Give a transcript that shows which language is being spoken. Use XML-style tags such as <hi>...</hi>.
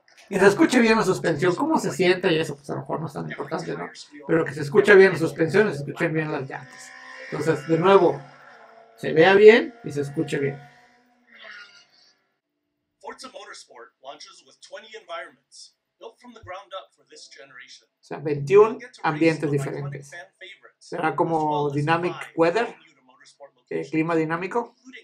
<es>Y se escuche bien la suspensión. ¿Cómo se siente? Y eso, pues a lo mejor no es tan importante, ¿no? Pero que se escuche bien la suspensión y se escuchen bien las llantas. Entonces, de nuevo, se vea bien y se escuche bien.</es> <en>Forza Motorsport launches with 20 environments built from the ground up for this generation.</en> <es>O sea, 21 ambientes diferentes. Será como Dynamic Weather, clima dinámico.</es>